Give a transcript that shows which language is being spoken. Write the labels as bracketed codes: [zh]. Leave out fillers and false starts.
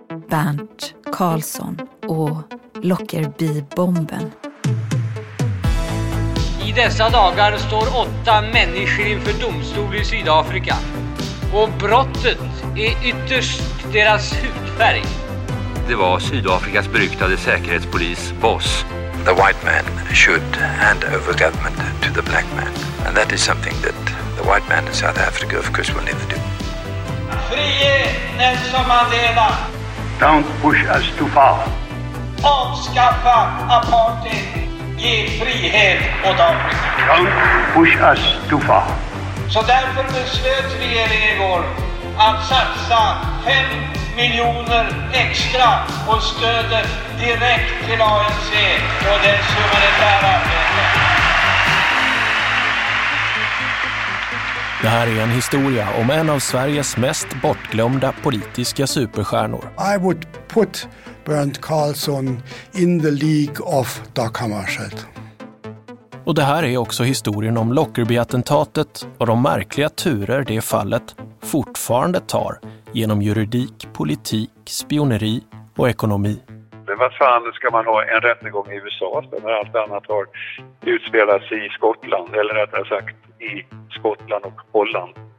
[sv] Bernt Carlsson och Lockerbie-bomben. I dessa dagar står 8 människor inför domstol i Sydafrika. Och brottet är ytterst deras hudfärg. Det var Sydafrikas beryktade säkerhetspolis, Boss. [en] The white man should hand over government to the black man. And that is something that the white man in South Africa, of course, will never do. [sv] Frie Nelson Mandela! [en] Don't push us too far. [sv] Avskaffa apartheid. Ge frihet åt Afrika. [en] Don't push us too far. [sv] Så därför beslöt regeringen igår att satsa 5 miljoner extra på stödet direkt till ANC och dess humanitära arbete. Det här är en historia om en av Sveriges mest bortglömda politiska superstjärnor. [en] I would put Bernt Carlsson in the league of Dag Hammarskjöld. [sv] Och det här är också historien om Lockerbie-attentatet och de märkliga turer det fallet fortfarande tar genom juridik, politik, spioneri och ekonomi. Men vad fan ska man ha en rättegång i USA när allt annat har utspelats i Skottland, eller rättare sagt i Skottland och Holland?